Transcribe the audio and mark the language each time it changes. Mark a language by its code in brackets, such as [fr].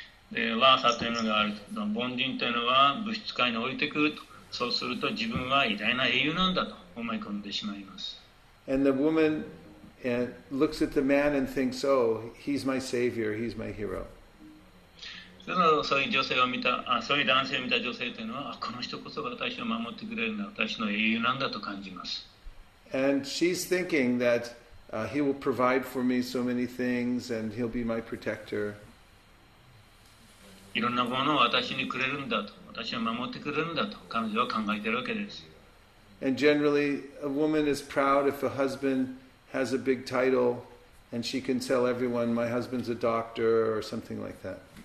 [ja] で、ラーサというのがある。凡人というのは物質界に降りてくると。そうすると自分は偉大な英雄なんだと思い込んでしまいます。 [en] And the woman looks at the man and thinks, oh, he's my savior, he's my hero. [ja] そういう女性を見た、そういう男性を見た女性というのは、この人こそ私を守ってくれるんだ、私の英雄なんだと感じます。 [en] And she's thinking that he will provide for me so many things and he'll be my protector. [ja] いろんなものを私にくれるんだと、私を守ってくれるんだと彼女は考えているわけです。 [en] And generally, a woman is proud if a husband has a big title and she can tell everyone, my husband's a doctor or something like that.